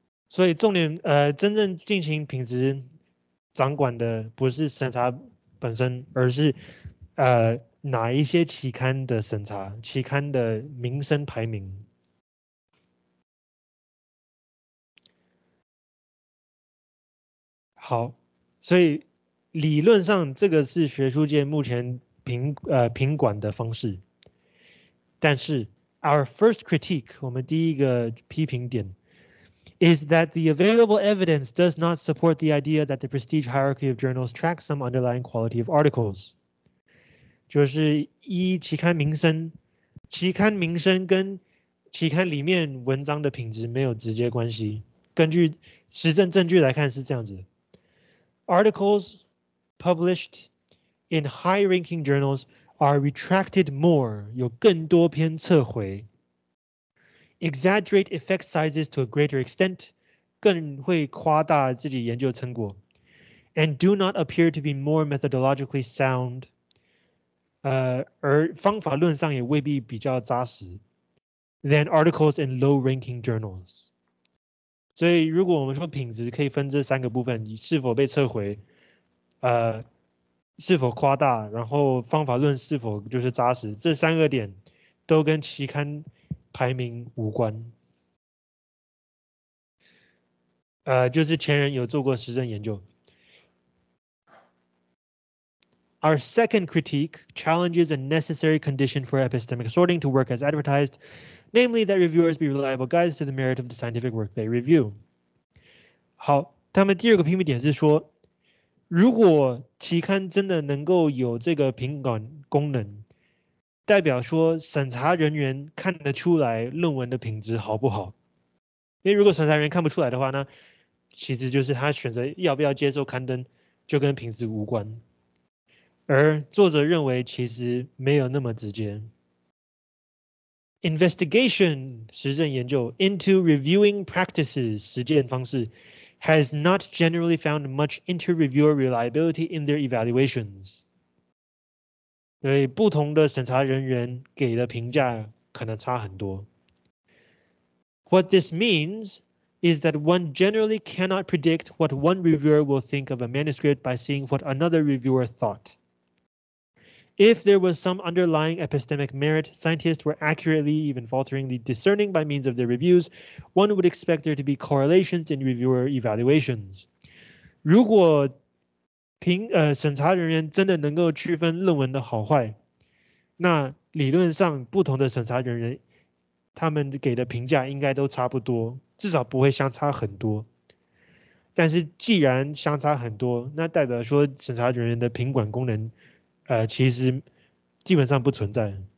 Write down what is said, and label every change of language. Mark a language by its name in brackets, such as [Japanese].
[Chinese] 所以重点，真正进行品质掌管的不是审查本身，而是哪一些期刊的审查，期刊的名声排名。好，所以理论上这个是学术界目前评管的方式。 [English] 但是 our first critique, 我们第一个批评点 is that the available evidence does not support the idea that the prestige hierarchy of journals tracks some underlying quality of articles. [Chinese] 就是一期刊名声，期刊名声跟期刊里面文章的品质没有直接关系。 [English] 根据实证证据来看是这样子 ：Articles published in high-ranking journals are retracted more，有更多篇撤回 ；exaggerate effect sizes to a greater extent，更会夸大自己研究成果，and do not appear to be more methodologically sound，而方法论上也未必比较扎实，than articles in low-ranking journals。 [Chinese] 所以，如果我们说品质可以分这三个部分，你是否被撤回，是否夸大，然后方法论是否就是扎实，这三个点都跟期刊排名无关。就是前人有做过实证研究。 [English] Our second critique challenges a necessary condition for epistemic sorting to work as advertised, namely that reviewers be reliable guides to the merit of the scientific work they review. [Chinese] 好，他们第二个批评点是说，如果期刊真的能够有这个评管功能，代表说审查人员看得出来论文的品质好不好。因为如果审查人员看不出来的话呢，其实就是他选择要不要接受刊登就跟品质无关。而作者认为其实没有那么直接。 [English] Investigation, 实证研究 into reviewing practices, 实践方式 has not generally found much inter-reviewer reliability in their evaluations. [Chinese] 所以不同的审查人员给的评价可能差很多。 [English] What this means,is that one generally cannot predict what one reviewer will think of a manuscript by seeing what another reviewer thought. If there was some underlying epistemic merit, scientists were accurately, even falteringly, discerning by means of their reviews, one would expect there to be correlations in reviewer evaluations. [Chinese] 如果审查人员真的能够区分论文的好坏，那理论上不同的审查人员他们给的评价应该都差不多，至少不会相差很多。但是既然相差很多，那代表说审查人员的评管功能，其实基本上不存在。